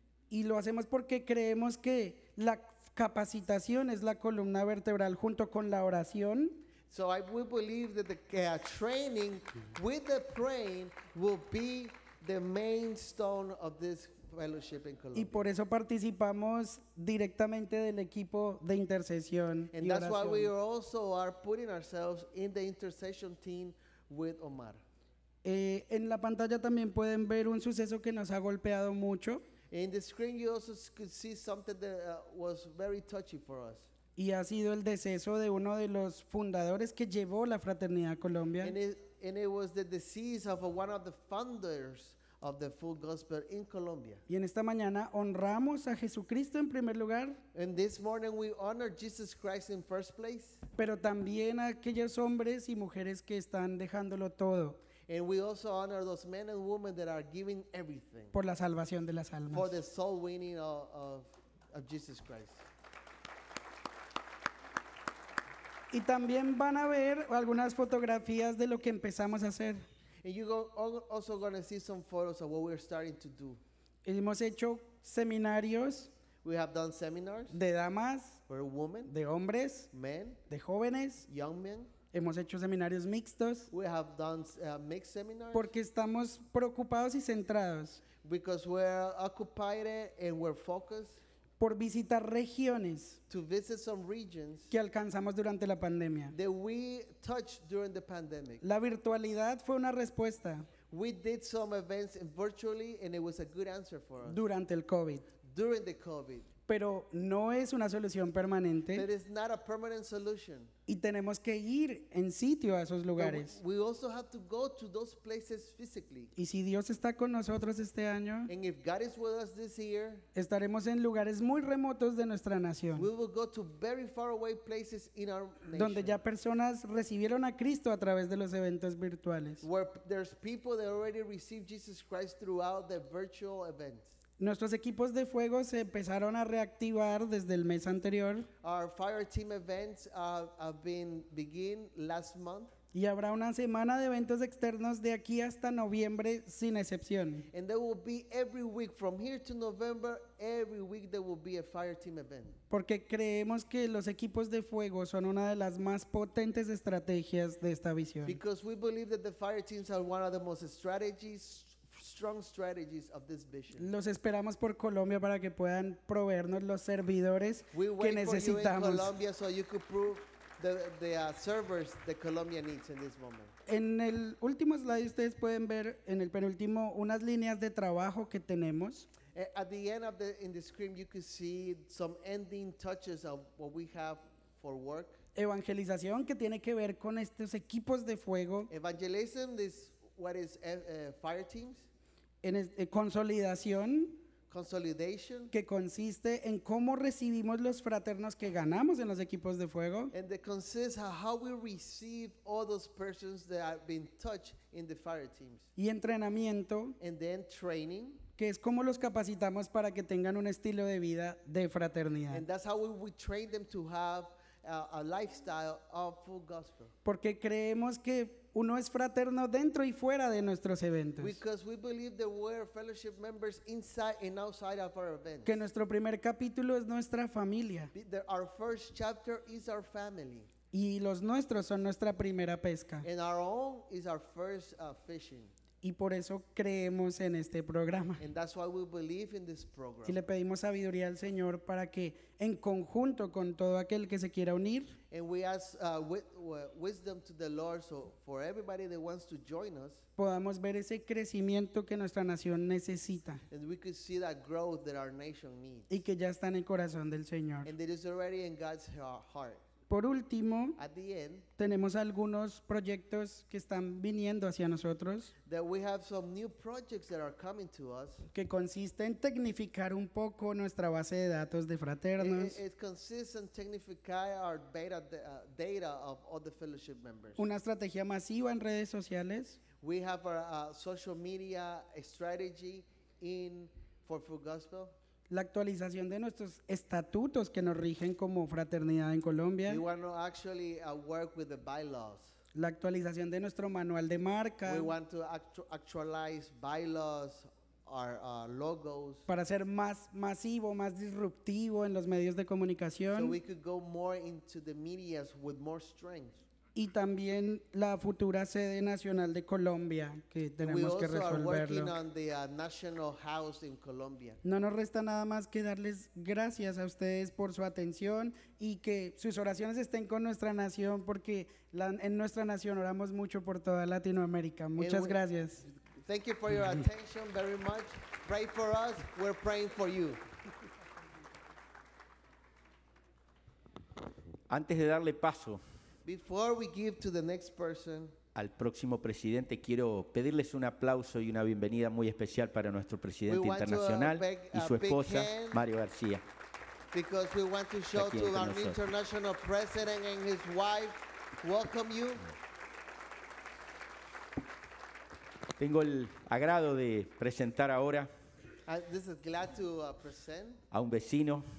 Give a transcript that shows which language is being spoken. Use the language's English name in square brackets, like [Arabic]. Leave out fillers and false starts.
[Spanish] Y lo hacemos porque creemos que la capacitación es la columna vertebral junto con la oración. [English] So I will believe that the training with the praying will be the main stone of this fellowship in Colombia. [Spanish] Y por eso participamos directamente del equipo de intercesión. [English] And that's why we also are putting ourselves in the intercession team with Omar. [Spanish] En la pantalla también pueden ver un suceso que nos ha golpeado mucho. [English] In the screen you also could see something that was very touchy for us. [Spanish] Y ha sido el deceso de uno de los fundadores que llevó la Fraternidad Colombia. [English] And it was the decease of one of the founders of the Full Gospel in Colombia. [Spanish] Y en esta mañana honramos a Jesucristo en primer lugar. [English] And this morning we honor Jesus Christ in first place. [Spanish] Pero también a aquellos hombres y mujeres que están dejándolo todo. [English] And we also honor those men and women that are giving everything. [Spanish] Por la salvación de las almas. [English] For the soul winning of Jesus Christ. [Spanish] Y también van a ver algunas fotografías de lo que empezamos a hacer. [English] And you're also going to see some photos of what we're starting to do. [Spanish] Hemos hecho seminarios. [English] We have done seminars. [Spanish] De damas. [English] For women. [Spanish] De hombres. [English] Men. [Spanish] De jóvenes. [English] Young men. [Spanish] Hemos hecho seminarios mixtos. [English] We have done mixed seminars. [Spanish] Porque estamos preocupados y centrados. [English] Because we're occupied and we're focused. [Spanish] Por visitar regiones. [English] To visit some regions. [Spanish] Que alcanzamos durante la pandemia. [English] That we touched during the pandemic. [Spanish] La virtualidad fue una respuesta. [English] We did some events virtually and it was a good answer for us. [Spanish] Durante el COVID. [English] During the COVID. [Spanish] Pero no es una solución permanente. [English] But it's not a permanent solution. [Spanish] Y tenemos que ir en sitio a esos lugares. [English] We also have to go to those places physically. [Spanish] Y si Dios está con nosotros este año, [English] and if God is with us this year, [Spanish] estaremos en lugares muy remotos de nuestra nación. [English] We will go to very far away places in our nation. [Spanish] Donde ya personas recibieron a Cristo a través de los eventos virtuales. [English] Where there's people that already received Jesus Christ throughout the virtual events. [Spanish] Nuestros equipos de fuego se empezaron a reactivar desde el mes anterior. [English] Our fire team events have been begin last month. [Spanish] Y habrá una semana de eventos externos de aquí hasta noviembre sin excepción. [English] And there will be every week from here to November, every week there will be a fire team event. [Spanish] Porque creemos que los equipos de fuego son una de las más potentes estrategias de esta visión. [English] Because we believe that the fire teams are one of the most strong strategies of this vision. [Spanish] Los esperamos por Colombia para que puedan proveernos los servidores que necesitamos. [English] We wait for you in Colombia so you could prove the servers that Colombia needs in this moment. [Spanish] En el último slide ustedes pueden ver en el penúltimo unas líneas de trabajo que tenemos. [English] At the end of the screen you could see some ending touches of what we have for work. [Spanish] Evangelización que tiene que ver con estos equipos de fuego. [English] Evangelism is what is fire teams. [Spanish] En consolidación, [English] consolidation, [Spanish] que consiste en cómo recibimos los fraternos que ganamos en los equipos de fuego, [English] and that consists of how we receive all those persons that have been touched in the fire teams, [Spanish] y entrenamiento, [English] and then training, [Spanish] que es cómo los capacitamos para que tengan un estilo de vida de fraternidad, [English] and that's how we train them to have a lifestyle of full gospel, [Spanish] porque creemos que uno es fraterno dentro y fuera de nuestros eventos. [English] Because we believe that we're fellowship members inside and outside of our events. [Spanish] Que nuestro primer capítulo es nuestra familia. [English] Our first chapter is our family. [Spanish] Y los nuestros son nuestra primera pesca. [English] And our own is our first fishing. [Spanish] Y por eso creemos en este programa. [English] And that's why we believe in this program. [Spanish] Y le pedimos sabiduría al Señor para que en conjunto con todo aquel que se quiera unir. [English] And we ask wisdom to the Lord so for everybody that wants to join us. [Spanish] Podamos ver ese crecimiento que nuestra nación necesita. [English] And we could see that growth that our nation needs. [Spanish] Y que ya está en el corazón del Señor. [English] And that is already in God's heart. [Spanish] Por último, [English] at the end, [Spanish] tenemos algunos proyectos que están viniendo hacia nosotros. [English] That we have some new projects that are coming to us. [Spanish] Que consiste en tecnificar un poco nuestra base de datos de fraternos. [English] It consists in tecnificar our data of all the fellowship members. [Spanish] Una estrategia masiva en redes sociales. [English] We have our social media strategy in for Full Gospel. [Spanish] La actualización de nuestros estatutos que nos rigen como fraternidad en Colombia. [English] We want to actually work with the bylaws. [Spanish] La actualización de nuestro manual de marca. [English] We want to actualize bylaws, our logos. [Spanish] Para ser más masivo, más disruptivo en los medios de comunicación. [English] So we could go more into the medias with more strength. [Spanish] Y también la futura sede nacional de Colombia que tenemos que resolverlo. [English] We also are working on the National House in Colombia. [Spanish] No nos resta nada más que darles gracias a ustedes por su atención y que sus oraciones estén con nuestra nación porque en nuestra nación oramos mucho por toda Latinoamérica. Muchas gracias. [English] Thank you for your attention very much. Pray for us. We're praying for you. [Spanish] Antes de darle paso. [English] Before we give to the next person, [Spanish] al próximo presidente, quiero pedirles un aplauso y una bienvenida muy especial para nuestro presidente internacional y su esposa, Mario García. [English] Because we want to show to our international president and his wife, welcome you. [Spanish] Tengo el agrado de presentar ahora [English] this is glad to, present [Spanish] a un vecino,